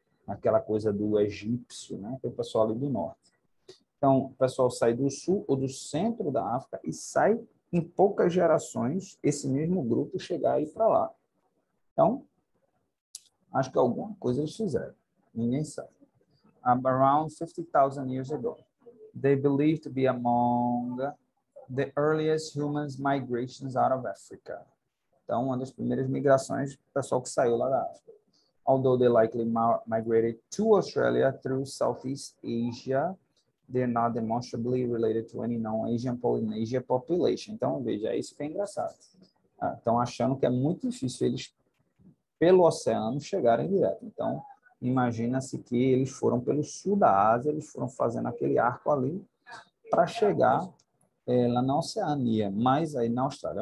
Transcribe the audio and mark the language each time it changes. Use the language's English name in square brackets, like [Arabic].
[Portuguese] Aquela coisa do egípcio, né? Que é o pessoal ali do norte. Então, o pessoal sai do sul ou do centro da África e sai em poucas gerações esse mesmo grupo chegar aí para lá. Então, acho que alguma coisa eles fizeram. Ninguém sabe. [English] Around 50,000 years ago, they believed to be among the earliest humans migrations out of Africa. [Portuguese] Então, uma das primeiras migrações, o pessoal que saiu lá da África. [English] Although they likely migrated to Australia through Southeast Asia, they're not demonstrably related to any known Asian Polynesia population. [Portuguese] Então, veja, é isso que é engraçado. Estão achando que é muito difícil eles, pelo oceano, chegarem direto. Então, imagina-se que eles foram pelo sul da Ásia, eles foram fazendo aquele arco ali para chegar lá na Oceania, mas aí na Austrália.